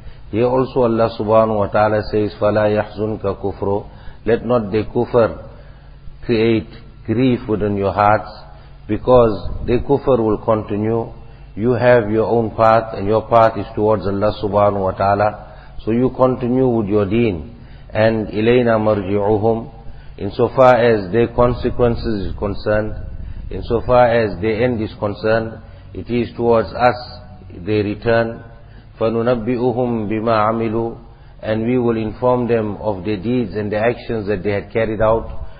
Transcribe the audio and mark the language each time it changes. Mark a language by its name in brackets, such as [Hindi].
[English] Here also Allah subhanahu wa ta'ala says, [Arabic] فَلَا يَحْزُنْكَ كُفْرُ. [English] Let not the kufr create grief within your hearts, because the kufr will continue. You have your own path, and your path is towards Allah subhanahu wa ta'ala. So you continue with your deen. And [Arabic] إِلَيْنَا مَرْجِعُهُمْ. [English] Insofar as their consequences is concerned, insofar as their end is concerned, it is towards us they return. [Arabic] فَنُنَبِّئُهُمْ بِمَا عَمِلُوا. [English] And we will inform them of their deeds and the actions that they had carried out.